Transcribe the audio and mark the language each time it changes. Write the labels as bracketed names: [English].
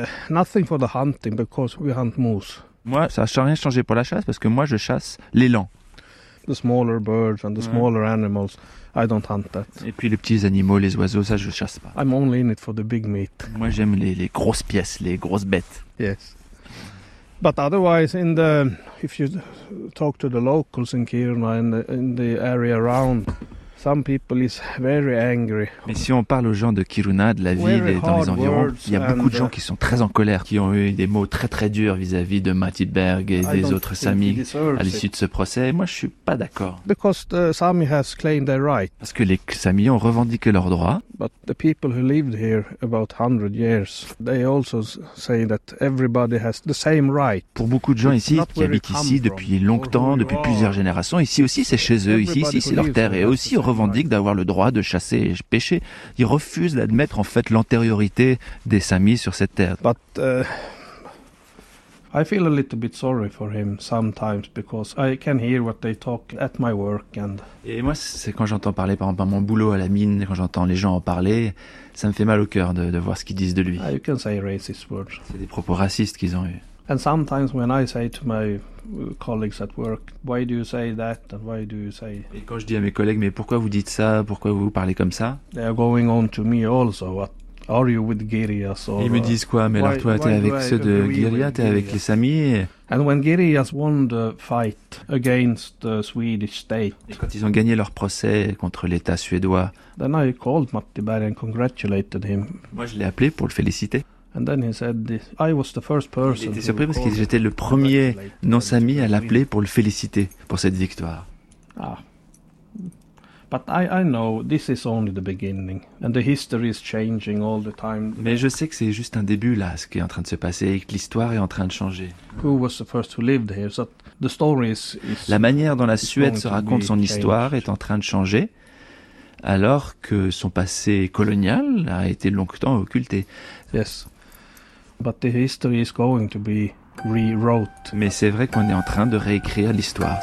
[English] Nothing for the hunting, because we hunt moose. [French] Moi, ça n'a rien changé pour la chasse, parce que moi, je chasse l'élan. [English] The smaller birds and the smaller animals, I don't hunt that. [French] Et puis les petits animaux, les oiseaux, ça je chasse pas. [English] I'm only in it for the big meat. [French] Moi j'aime les grosses pièces, les grosses bêtes. [English] Yes. But otherwise, in the if you talk to the locals in Kiruna and in the area around, some people is very angry. [French] Mais si on parle aux gens de Kiruna, de la ville et dans les environs, il y a beaucoup de gens qui sont très en colère, qui ont eu des mots très très durs vis-à-vis de Matti Berg et des autres Samis à l'issue de ce procès. Moi, je suis pas d'accord. [English] Because the Sami has claimed their right. [French] Parce que les Samis ont revendiqué leurs droits. [English] But the people who lived here about 100 years, they also say that everybody has the same right. [French] Pour beaucoup de gens ici qui habitent ici depuis longtemps, depuis plusieurs générations, ici aussi c'est chez eux, ici c'est leur terre et aussi revendiquent d'avoir le droit de chasser et pêcher. Ils refusent d'admettre en fait l'antériorité des Samis sur cette terre. [English] But I feel a little bit sorry for him sometimes because I can hear what they talk at my work and. [French] Et moi, c'est quand j'entends parler par exemple à mon boulot à la mine, quand j'entends les gens en parler, ça me fait mal au cœur de voir ce qu'ils disent de lui. [English] You can say racist words. [French] C'est des propos racistes qu'ils ont eus. [English] And sometimes when I say to my colleagues at work, why do you say that and why do you say... [French] Et quand je dis à mes collègues, mais pourquoi vous dites ça, pourquoi vous parlez comme ça? [English] They are going on to me also, what are you with Girias? [French] Or, ils me disent quoi, mais alors toi, t'es avec ceux de Girias, t'es avec les Samis? [English] And when Girias won the fight against the Swedish state... [French] Et quand ils ont gagné leur procès contre l'État suédois... [English] Then I called Matti Berg and congratulated him. [French] Moi, je l'ai appelé pour le féliciter. [English] And then he said this. I was the first person. [French] Il était surpris parce que j'étais le premier non-sami à l'appeler pour le féliciter pour cette victoire. [English] Ah, but I know this is only the beginning, and the history is changing all the time. [French] Mais je sais que c'est juste un début là, ce qui est en train de se passer, et que l'histoire est en train de changer. [English] Who was the first who lived here? So the story is. [French] La manière dont la Suède se raconte son histoire est en train de changer. Alors que son passé colonial a été longtemps occulté. [English] Yes, but the history is going to be rewrote. [French] Mais c'est vrai qu'on est en train de réécrire l'histoire.